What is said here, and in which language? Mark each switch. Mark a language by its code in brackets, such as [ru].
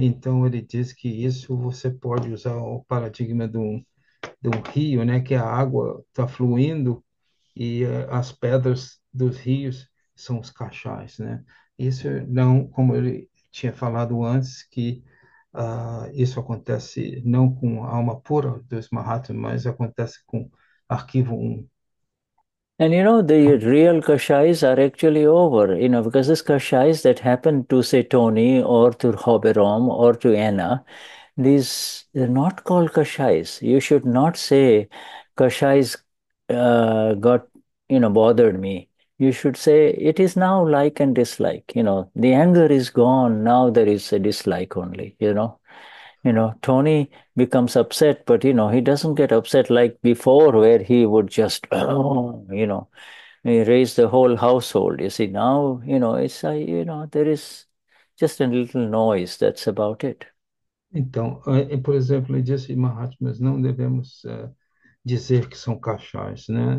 [pt] Então ele diz que isso você pode usar o paradigma de um rio, né, que a água está fluindo e as pedras dos rios são os cachais, né? Isso não, como ele tinha falado antes, que isso acontece não com a alma pura dos Mahatmas, mas acontece com arquivo 1. [en] And you know, the real kashais are actually over, you know, because these kashais that happen to say Tony or to Hoberom or to Anna, these they're not called kashais. You should not say kashais got, you know, bothered me. You should say it is now like and dislike, you know, the anger is gone, now there is a dislike only, you know. You know, Tony becomes upset, but you know, he doesn't get upset like before, where he would just, oh, you know, raise the whole household. You see, now, you know, it's a, you know, there is just a little noise, that's about it. [pt] Então, por exemplo, ele disse, Mahatmas, não devemos dizer que são cachais, né?